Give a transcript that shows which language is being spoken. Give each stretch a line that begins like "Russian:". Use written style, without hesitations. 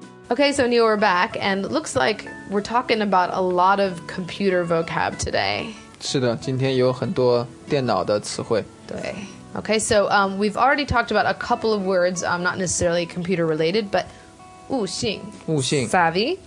English: Okay, so Neil, we're back, and looks like we're talking about a lot of computer vocab today.
Chinese: 是的，今天有很多电脑的词汇。对。
English: Okay, so we've already talked about a couple of words, not necessarily computer related, but 悟性 savvy.